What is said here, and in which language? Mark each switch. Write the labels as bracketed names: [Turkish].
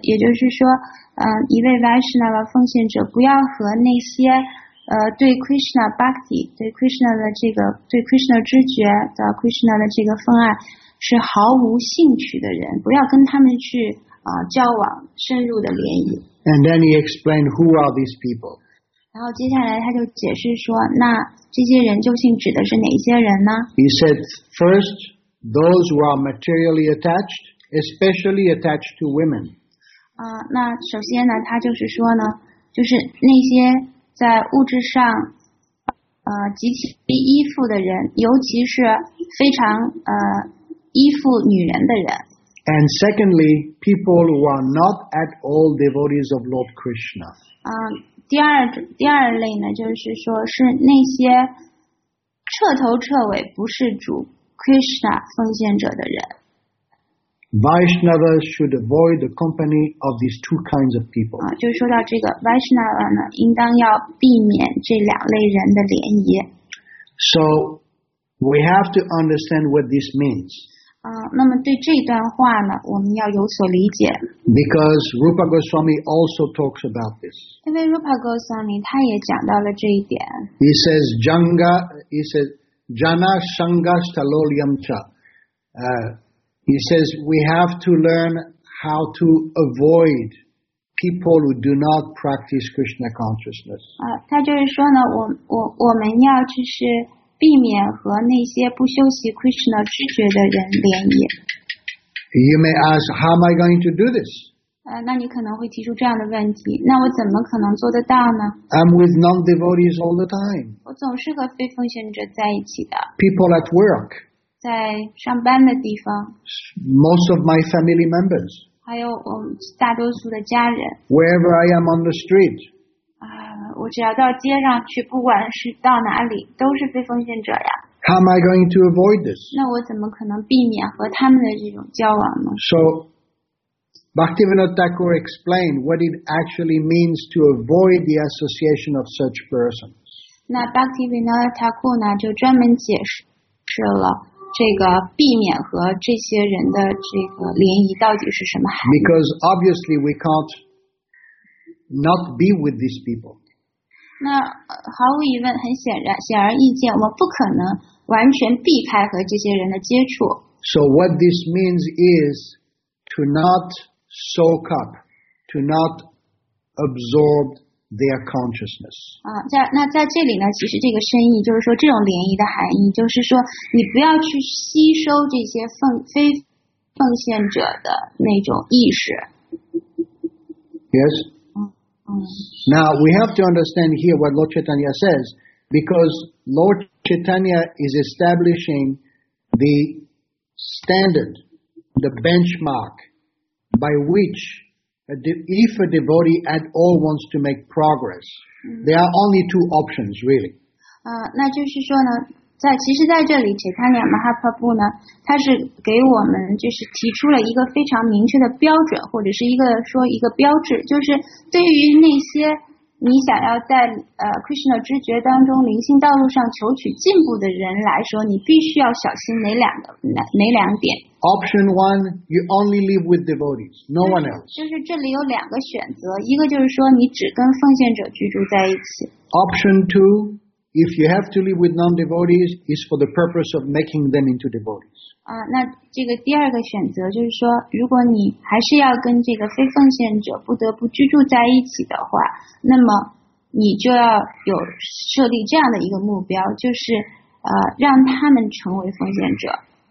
[Chinese] 也就是说一位 Vaishnava 奉献者不要和那些对 Krishna Bhakti, 对 Krishna 的这个对 Krishna 知觉的 Krishna 的这个方案是毫无兴趣的人不要跟他们去交往深入的联谊。 [English] And then he explained who are these people. [Chinese] 然后接下来他就解释说那这些人究竟指的是哪些人呢 [English] He said, first, those who are materially attached, especially attached to women. [Chinese] 那首先呢他就是说呢就是那些在物质上极其依附的人尤其是非常依附女人的人。 [English] And secondly, people who are not at all devotees of Lord Krishna. [Chinese] 第二类呢就是说是那些彻头彻尾不是主 Krishna 奉献者的人。 [English] Vaishnavas should avoid the company of these two kinds of people. [Chinese] 就说到这个 Vaishnava 呢，应当要避免这两类人的联谊。 [English] So we have to understand what this means. [Chinese] 那么对这段话呢，我们要有所理解。 [English] Because Rupa Goswami also talks about this. [Chinese] 因为 Rupa Goswami 他也讲到了这一点。 [English] He says, "Janga," he says, "Jana Sangha Staloliam Cha." He says we have to learn how to avoid people who do not practice Krishna consciousness. [Chinese] 他就是说呢，我们要就是避免和那些不修习 Krishna 知觉的人联谊。 [English] You may ask, how am I going to do this? [Chinese] 那你可能会提出这样的问题，那我怎么可能做得到呢 [English] ？I'm with non-devotees all the time. [Chinese] 我总是和非奉献者在一起的。 [English] People at work. [Chinese] 在上班的地方 [English] Most of my family members [Chinese] 还有我大多数的家人 [English] Wherever I am on the street [Chinese] 我只要到街上去不管是到哪里都是非奉献者呀 [English] How am I going to avoid this? [Chinese] 那我怎么可能避免和他们的这种交往呢 [English] So Bhaktivinoda Thakur explained what it actually means to avoid the association of such persons [Chinese] 那 Bhaktivinoda Thakur 呢就专门解释了这个避免和这些人的这个联谊到底是什么含义 [English] ？Because obviously we can't not be with these people. [Chinese] 那毫无疑问，很显然，显而易见，我不可能完全避开和这些人的接触。 [English] So what this means is to not soak up, to not absorb their consciousness. [Chinese] 啊，在那在这里呢，其实这个深意就是说，这种涟漪的含义就是说，你不要去吸收这些非奉献者的那种意识。 [English] Yes. Now we have to understand here what Lord Chaitanya says, because Lord Chaitanya is establishing the standard, the benchmark by which if a devotee at all wants to make progress, there are only two options really. [Chinese] 那就是说呢，在其实在这里 Chaitanya Mahaprabhu 呢，他是给我们就是提出了一个非常明确的标准，或者是一个说一个标志，就是对于那些你想要在Krishna 知觉当中灵性道路上求取进步的人来说，你必须要小心哪两点。 [English] Option one, you only live with devotees, no one else. [Chinese] 就是这里有两个选择，一个就是说你只跟奉献者居住在一起。 [English] Option two,If you have to live with non-devotees, it's for the purpose of making them into devotees. [Chinese] 那这个第二个选择就是说，如果你还是要跟这个非奉献者不得不居住在一起的话，那么你就要有设立这样的一个目标，就是让他们成为奉献者。